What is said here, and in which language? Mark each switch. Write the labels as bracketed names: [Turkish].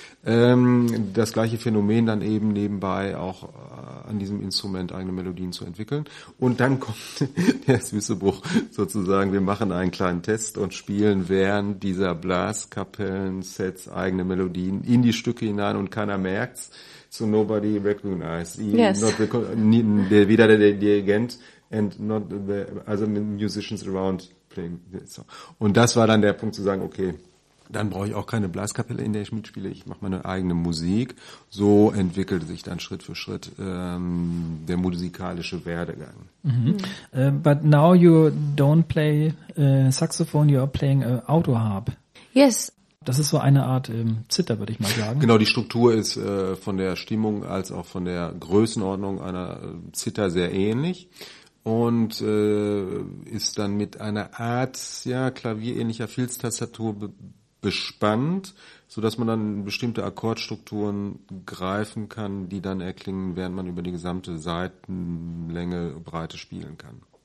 [German] Das gleiche Phänomen dann eben nebenbei auch an diesem Instrument eigene Melodien zu entwickeln. Und dann kommt der süße Bruch sozusagen. Wir machen einen kleinen Test und spielen während dieser Blaskapellen-Sets eigene Melodien in die Stücke hinein und keiner merkt's. [English] So nobody recognizes. Yes. [German] Weder der Dirigent [English] and not the other musicians around playing. So. [German] Und das war dann der Punkt zu sagen, okay, dann brauche ich auch keine Blaskapelle, in der ich mitspiele, ich mache meine eigene Musik. So entwickelte sich dann Schritt für Schritt der musikalische Werdegang. Mm-hmm. [English] But now you don't play saxophone, you are playing auto harp. Yes. [German] Das ist so eine Art Zither, würde ich mal sagen. Genau, die Struktur ist von der Stimmung als auch von der Größenordnung einer Zither sehr ähnlich. Und ist dann mit einer Art klavierähnlicher Filztastatur bespannt, so dass man dann bestimmte Akkordstrukturen greifen kann, die dann erklingen, während man über die gesamte Seitenlänge Breite spielen kann.